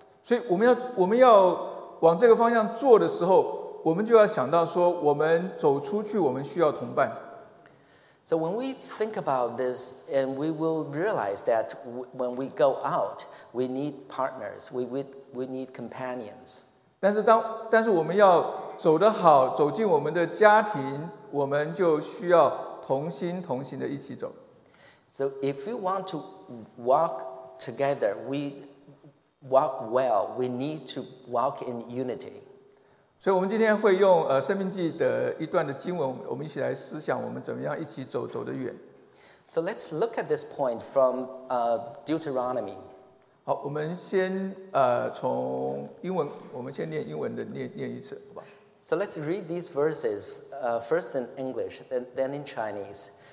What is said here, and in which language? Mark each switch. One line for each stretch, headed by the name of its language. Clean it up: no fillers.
Chinese: 所以我们要往这个方向做的时候，我们就要想到说，我们走出去，我们需要同伴。
English: So when we think about this, and we will realize that when we go out, we need partners, we need companions.
Chinese: 但是我们要走得好，走进我们的家庭，我们就需要同心同行的一起走。
English: So if we want to walk together, we walk well, we need to walk in unity.
Chinese: 所以我们今天会用生命记的一段的经文，我们一起来思想我们怎么样一起走，走得远。
English: So let's look at this point from Deuteronomy.
Chinese: 好，我们先从英文，我们先念英文的念一次，好吧？
English: So let's read these verses first in English, then in Chinese.